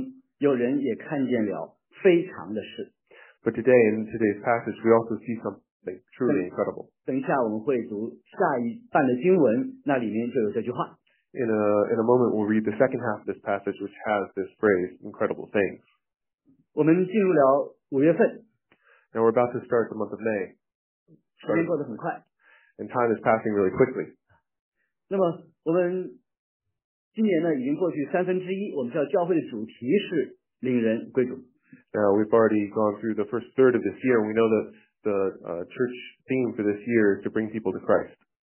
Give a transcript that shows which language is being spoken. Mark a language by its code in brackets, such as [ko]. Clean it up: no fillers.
[zh] 今天我们看的这段圣经当中，有人也看见了非常的事。 [en] But today, in today's passage, we also see something truly incredible. [zh] 等一下我们会读下一半的经文，那里面就有这句话。 [en] In a moment, we'll read the second half of this passage, which has this phrase, incredible things. [zh] 我们进入了五月份。 [en] Now we're about to start the month of May. [zh] 时间过得很快。 [en] And time is passing really quickly. [zh] 那么我们今年呢已经过去三分之一，我们叫教会的主题是领人归主。 [en] Now we've already gone through the first third of this year, and we know that the church theme for this year is to bring people to Christ.